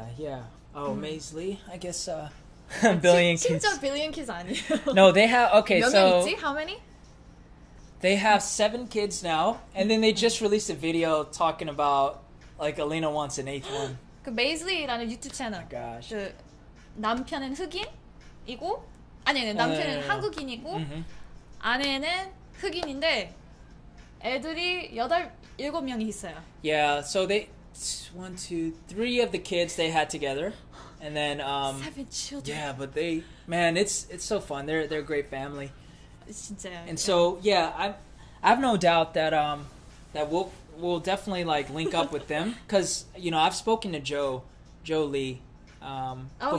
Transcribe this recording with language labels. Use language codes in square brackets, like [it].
[en] Yeah. Oh, Maisley. I guess a billion kids. A billion kids on you. No, they have. Okay, so. How many? They have 7 kids now, and then they just released a video talking about, like, Alina wants an 8th one. [ko] 그 Maisley라는 YouTube 채널. Oh, gosh. 그 남편은 흑인이고, 아니, 남편은 한국인이고, 아내는 흑인인데, 애들이 7명이 있어요. [en] Yeah, so they. 1, 2, 3 of the kids they had together, and then 7 children. Yeah, but they, man, it's so fun. They're a great family. [ko] 진짜요. [en] And so yeah, I have no doubt that that we'll definitely, like, link up with them, because, you know, I've spoken to Joe Lee before.